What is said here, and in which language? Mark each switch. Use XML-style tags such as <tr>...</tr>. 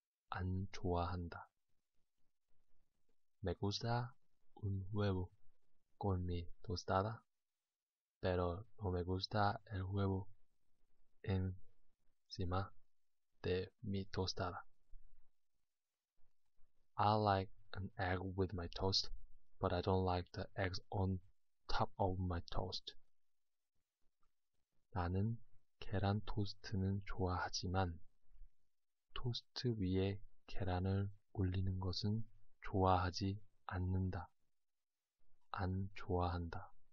<ko>안 좋아한다.</ko> <es>Me gusta un huevo con mi tostada, pero no me gusta el huevo encima de mi tostada.</es> <en>I like an egg with my toast, but I don't like the eggs on top of my toast.</en> <ko>나는 계란 토스트는 좋아하지만 토스트 위에 계란을 올리는 것은 좋아하지 않는다. 안 좋아한다.</ko>